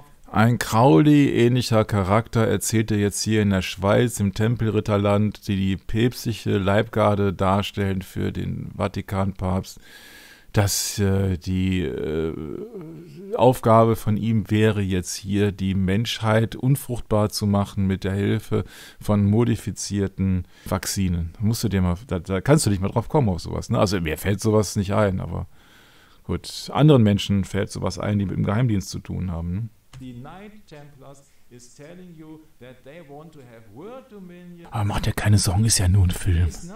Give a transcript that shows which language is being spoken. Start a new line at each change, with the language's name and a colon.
German: Ein Crowley-ähnlicher Charakter erzählte jetzt hier in der Schweiz im Tempelritterland, die päpstliche Leibgarde darstellen für den Vatikanpapst, dass die Aufgabe von ihm wäre jetzt hier, die Menschheit unfruchtbar zu machen mit der Hilfe von modifizierten Vakzinen. Musst du dir mal, da kannst du nicht mal drauf kommen auf sowas. Ne? Also mir fällt sowas nicht ein, aber Gut, anderen Menschen fällt sowas ein, die mit dem Geheimdienst zu tun haben.
English: Die Knight Templars is telling you that they want to have world dominion.
German: Aber macht ja keine Sorgen, ist ja nur ein Film.